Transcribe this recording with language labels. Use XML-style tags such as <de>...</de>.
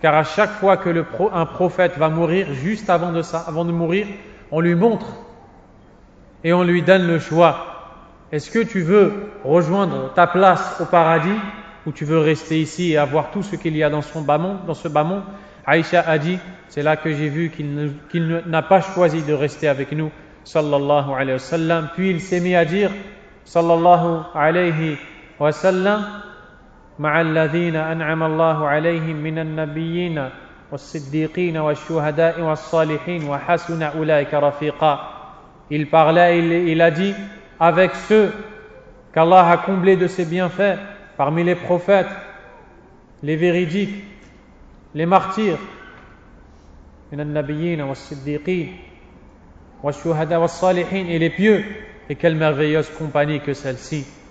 <fr>Car à chaque fois que un prophète va mourir, juste avant de mourir, on lui montre et on lui donne le choix. Est-ce que tu veux rejoindre ta place au paradis ou tu veux rester ici et avoir tout ce qu'il y a dans ce bas monde ? Aïcha a dit, c'est là que j'ai vu qu'il n'a pas choisi de rester avec nous, sallallahu alayhi wa sallam. Puis il s'est mis à dire,</fr> <ar>sallallahu alayhi wa sallam, مع الذين أنعم الله عليهم من النبيين والصديقين والشهداء والصالحين وحسن أولئك رفيقا.</ar> <fr>Il parlait, il a dit, avec ceux qu'Allah a comblés de ses bienfaits, parmi les prophètes, les véridiques, les martyrs,</fr> <ar>من النبيين والصديقين والشهداء والصالحين,</ar> <fr>et les pieux, et quelle merveilleuse compagnie que celle-ci.</fr>